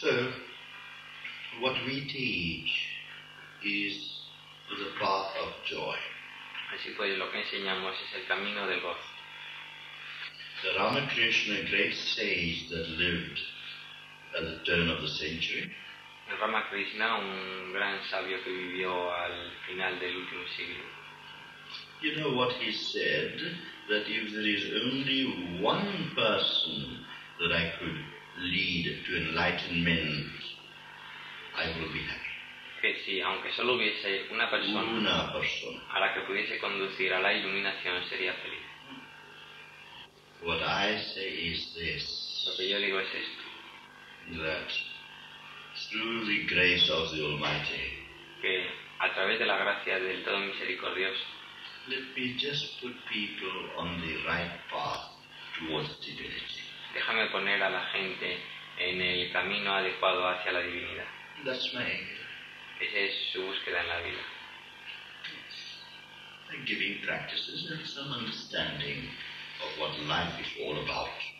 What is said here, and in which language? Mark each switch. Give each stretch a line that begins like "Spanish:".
English: So, what we teach is the path of joy.
Spanish: Así pues, lo que enseñamos es el camino del gozo.
English: The Ramakrishna, great sage that lived at the turn of the century.
Spanish: Ramakrishna, un gran sabio que vivió al final del último siglo.
English: You know what he said, that if there is only one person that I could lead to enlightenment, I will be happy.
Spanish: Que sí, aunque solo hubiese una persona, una persona a la que pudiese conducir a la iluminación, sería feliz.
English: What I say is this.
Spanish: Lo que yo digo es esto.
English: That through the grace of the Almighty,
Spanish: que a través de la gracia del Todo Misericordioso,
English: let me just put people on the right path towards divinity.
Spanish: Déjame poner a la gente en el camino adecuado hacia la divinidad.
English: That's my aim.
Spanish: Esa es su búsqueda en la vida.
English: And giving practices and some understanding of what life is all about.